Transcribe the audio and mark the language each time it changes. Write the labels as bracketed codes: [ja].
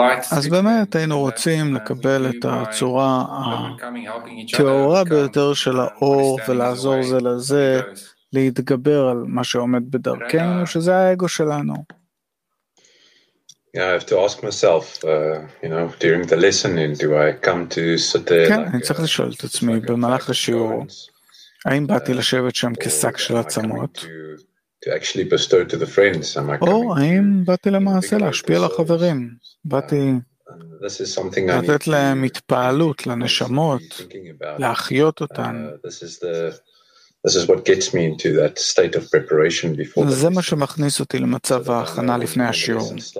[he] אז באמת היינו רוצים לקבל את הצורה התאורה ביותר של האור ולעזור זה לזה להתגבר על מה שעומד בדרכנו, שזה האגו שלנו. [en] Yeah, I have to ask myself, you know, during the lesson, do I come to sit there like... [he] כן, אני צריך לשאול את עצמי, במהלך השיעור, האם באתי לשבת שם כשק של עצמות? [en] To actually bestow to the friends, am I coming to... [he] או האם באתי למעשה להשפיע לחברים? באתי לתת להם התפעלות לנשמות, להחיות אותן. [en] This is what gets me into that state of preparation before the [he] זה מה שמכניס אותי למצב ההכנה לפני השיעור.